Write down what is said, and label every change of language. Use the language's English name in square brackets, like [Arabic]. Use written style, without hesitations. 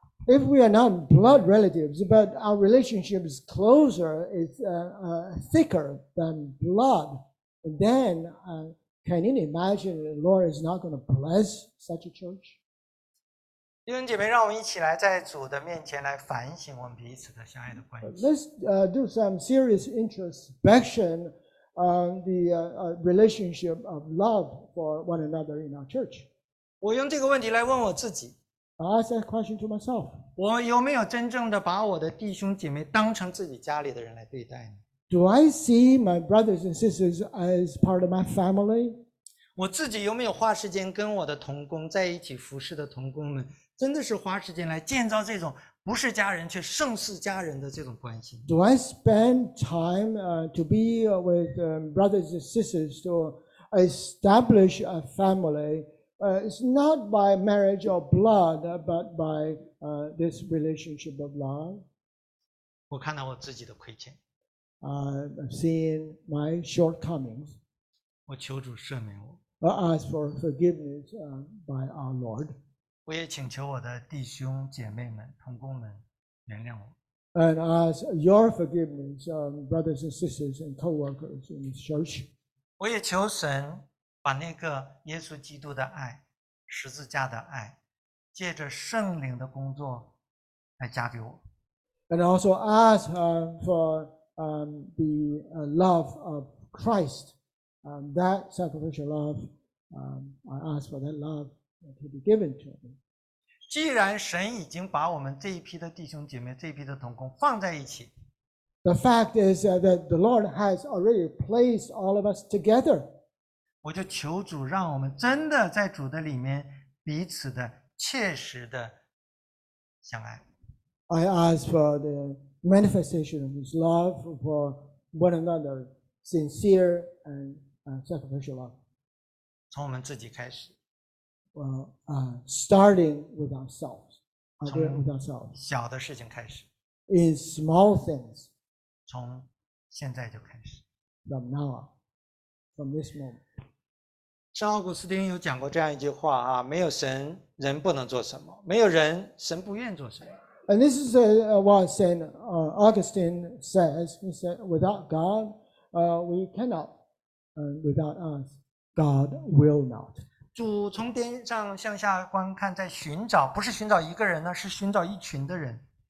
[English] If we are not blood relatives, but our relationship is closer, it's thicker than blood, then can you imagine the Lord is not going to bless such a church? [Chinese] 弟兄姐妹，让我们一起来在主的面前来反省我们彼此的相爱的关系。 [English] Let's do some serious introspection on the relationship of love for one another in our church. [Chinese] 我用这个问题来问我自己。 [English] I ask that question to myself. [Chinese] 我有没有真正的把我的弟兄姐妹当成自己家里的人来对待呢？ [English] Do I see my brothers and sisters as part of my family? [Chinese] 我自己有没有花时间跟我的同工在一起服侍的同工们，真的是花时间来建造这种不是家人却胜似家人的这种关系？ [English] Do I spend time to be with brothers and sisters to establish a family? It's not by marriage or blood, but by this relationship of love. [Chinese] 我看到我自己的亏欠。 [English] I've seen my shortcomings. [Chinese] 我求主赦免我。 [English] I ask for forgiveness by our Lord. [Chinese] 我也请求我的弟兄姐妹们、同工们原谅我。 [English] And ask your forgiveness, brothers and sisters and co-workers in this church. [Chinese] 我也求神把那个耶稣基督的爱、十字架的爱，借着圣灵的工作来加给我。 [English] And also ask for the love of Christ, that sacrificial love. I ask for that love to be given to me. [Chinese] 既然神已经把我们这一批的弟兄姐妹、这一批的同工放在一起 [English] ，The fact is that the Lord has already placed all of us together. [Chinese] 我就求主让我们真的在主的里面彼此的切实的相爱。 [English] I ask for the manifestation of His love for one another, sincere and sacrificial love. [Chinese] 从我们自己开始。 [English] Starting with ourselves, starting with ourselves. [Chinese] 小的事情开始。 [English] In small things. [Chinese] 从现在就开始。 [English] From now on, from this moment. [Chinese] 圣奥古斯丁有讲过这样一句话啊，没有神，人不能做什么；没有人，神不愿做什么。 [English] And this is what Saint Augustine says. He said, "Without God, we cannot. Without us, God will not." [Chinese] 主从天上向下观看，在寻找，不是寻找一个人呢，是寻找一群的人。